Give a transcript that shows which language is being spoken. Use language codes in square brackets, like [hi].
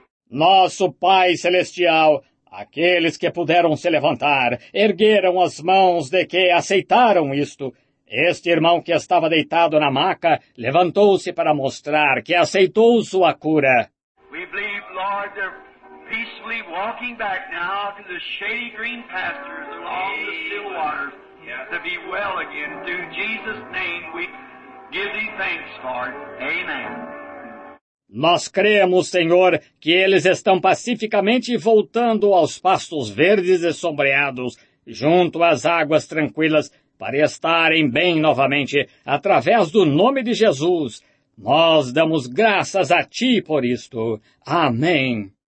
[pt] Nosso Pai Celestial, aqueles que puderam se levantar, ergueram as mãos de que aceitaram isto. Este irmão que estava deitado na maca, levantou-se para mostrar que aceitou sua cura. [en] We believe, Lord, they're peacefully walking back now to the shady green pastures along the still waters to be well again. Through Jesus' name, we give thee thanks for it. Amen. [pt] Nós cremos, Senhor, que eles estão pacificamente voltando aos pastos verdes e sombreados, junto às águas tranquilas, para estarem bem novamente, através do nome de Jesus. Nós damos graças a Ti por isto. Amém.